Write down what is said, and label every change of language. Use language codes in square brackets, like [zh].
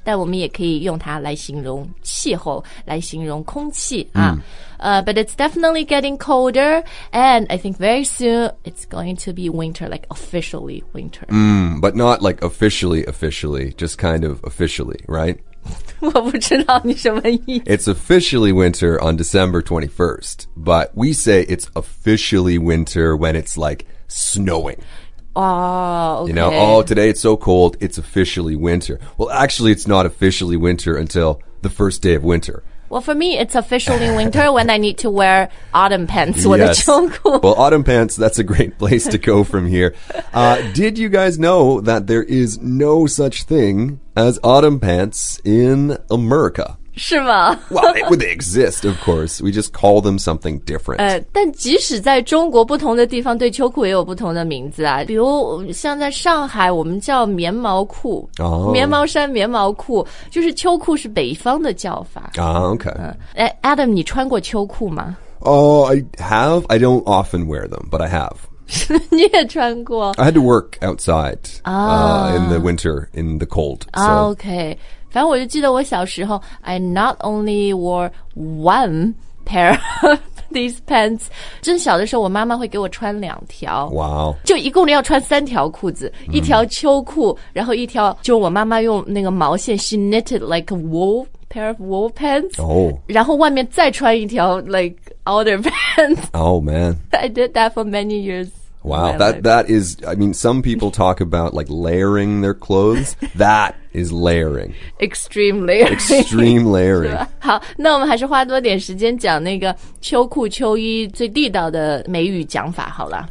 [zh] 但我们也可以用它来形容气候，来形容空气啊。 [en] But it's definitely getting colder, and I think very soon it's going to be winter, like officially winter. But not like officially, officially, just kind of officially, right? [zh] 我不知道你什么意思。 [en] It's officially winter on December 21st, but we say it's officially winter when it's like snowing. Oh, okay. You know, oh, today it's so cold, it's officially winter. Well, actually, it's not officially winter until the first day of winter. Well, for me, it's officially winter when I need to wear autumn pants, [zh] 我的秋裤。 [en] Well, autumn pants, that's a great place to go from here. Did you guys know that there is no such thing as autumn pants in America? [zh] 是吗? [en] Well, they exist, of course. We just call them something different. [zh] 但即使在中国不同的地方对秋裤也有不同的名字啊。比如像在上海我们叫棉毛裤。棉毛衫棉毛裤。就是秋裤是北方的叫法。 Adam, 你穿过秋裤吗? [en] Oh, I have. I don't often wear them, but I have. [zh] 你也穿过? [en] I had to work outside in the winter, in the cold. [zh] Okay. 反正我就记得我小时候 [en] I not only wore one pair of these pants [zh] 真小的时候我妈妈会给我穿两条哇、wow. 就一共要穿三条裤子、一条秋裤然后一条就我妈妈用那个毛线 [en] She knitted like a wool pair of wool pants、 oh. [zh] 然后外面再穿一条 [en] like outer pants Oh man I did that for many years Wow, that is, I mean, some people talk about like layering their clothes. That is layering. Extreme layering. Extreme layering. [zh] 好，那我们还是花多点时间讲那个秋裤秋衣最地道的美语讲法好了。